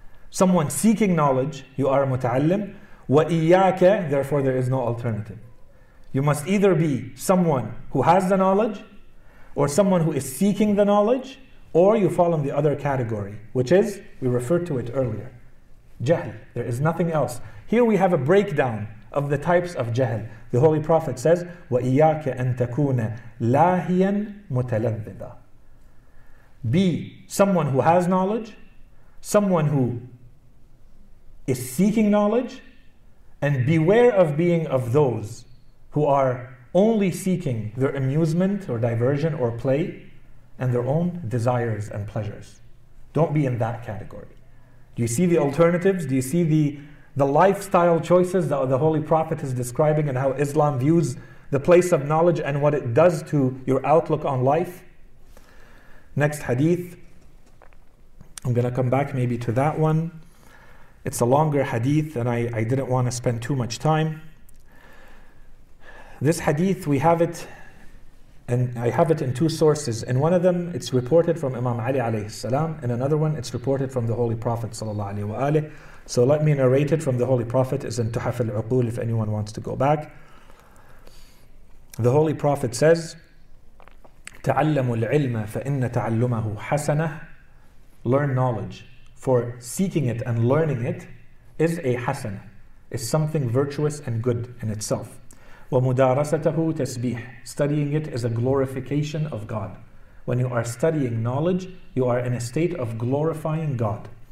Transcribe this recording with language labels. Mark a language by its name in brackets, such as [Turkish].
[English] Someone seeking knowledge, you are a muta'allim. وَإِيَّاكَ, therefore there is no alternative. You must either be someone who has the knowledge, or someone who is seeking the knowledge, or you fall in the other category, which is, we referred to it earlier, jahl. There is nothing else. Here we have a breakdown of the types of jahl. The Holy Prophet says, [Arabic] وَإِيَّاكَ أَن تَكُونَ لَاهِيًا مُتَلَذِّذًا. [English] Be someone who has knowledge, someone who is seeking knowledge, and beware of being of those who are only seeking their amusement or diversion or play and their own desires and pleasures. Don't be in that category. Do you see the alternatives? Do you see the lifestyle choices that the Holy Prophet is describing and how Islam views the place of knowledge and what it does to your outlook on life? Next hadith. I'm going to come back maybe to that one. It's a longer hadith and I didn't want to spend too much time. This hadith, we have it, and I have it in two sources. In one of them, it's reported from Imam Ali alayhi salam. In another one, it's reported from the Holy Prophet sallallahu alayhi wa alihi. So let me narrate it from the Holy Prophet. It's in Tuhaf al-Uqul if anyone wants to go back. The Holy Prophet says, [Arabic] تَعَلَّمُ الْعِلْمَ فَإِنَّ تَعَلُّمَهُ حَسَنَهُ. [English] Learn knowledge, for seeking it and learning it is a hasana, is something virtuous and good in itself. [Arabic] وَمُدَارَسَتَهُ تَسْبِيحُ. [English] Studying it is a glorification of God. When you are studying knowledge, you are in a state of glorifying God.